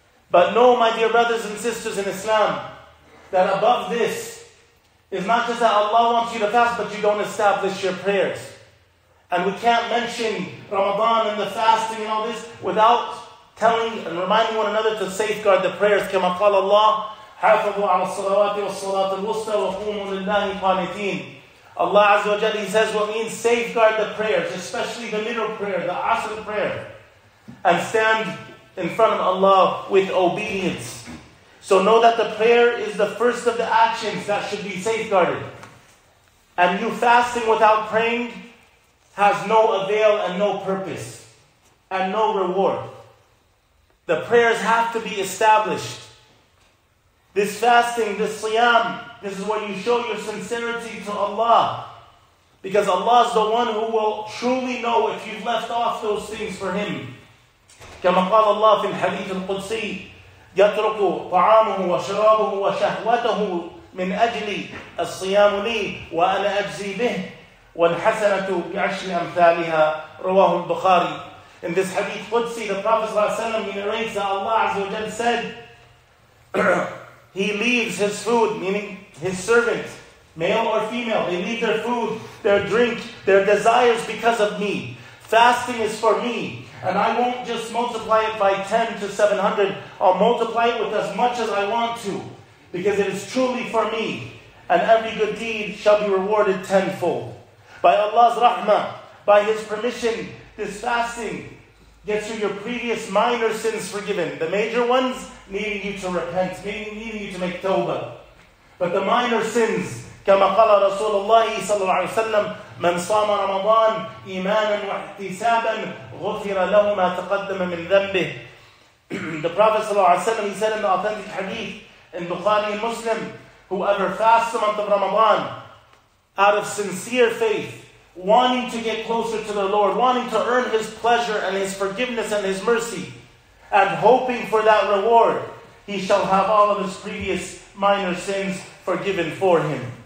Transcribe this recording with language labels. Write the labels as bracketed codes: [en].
[en] But know, my dear brothers and sisters in Islam, that above this is not just that Allah wants you to fast, but you don't establish your prayers. And we can't mention Ramadan and the fasting and all this without telling and reminding one another to safeguard the prayers. [ar] كَمَا قَالَ اللَّهُ حافظوا على الصلوات والصلاة الوسطى وقوموا لله قانتين. [en] Allah Azza wa Jalla, He says, what means safeguard the prayers, especially the middle prayer, the Asr prayer, and stand in front of Allah with obedience. So know that the prayer is the first of the actions that should be safeguarded. And you fasting without praying has no avail and no purpose and no reward. The prayers have to be established. This fasting, this siyam, This is when you show your sincerity to Allah. Because Allah is the one who will truly know if you've left off those things for Him. [ar] كما قال الله في الحديث القدسي يترك طعامه وشرابه وشهوته من أجل الصيام لي وأنا أجزي به والحسنة بعشر أمثالها رواه البخاري. [en] In this hadith Qudsi, the Prophet ﷺ, he narrates that Allah Azza wa Jalla said, He leaves His food, meaning His servant, male or female, they leave their food, their drink, their desires because of me. Fasting is for me. And I won't just multiply it by 10 to 700. I'll multiply it with as much as I want to. Because it is truly for me. And every good deed shall be rewarded tenfold. By Allah's rahmah, by His permission, this fasting gets you your previous minor sins forgiven. The major ones needing you to repent, needing you to make tawbah. But the minor sins, [ar] كما قال رسول الله صلى الله عليه وسلم من صام رمضان إيمانا واحتسابا غفر له ما تقدم من ذنبه. [en] The Prophet [ar] صلى الله عليه وسلم, [en] he said in the authentic hadith in Bukhari and Muslim, whoever fasts the month of Ramadan out of sincere faith, wanting to get closer to the Lord, wanting to earn His pleasure and His forgiveness and His mercy, and hoping for that reward, he shall have all of his previous minor sins forgiven for him.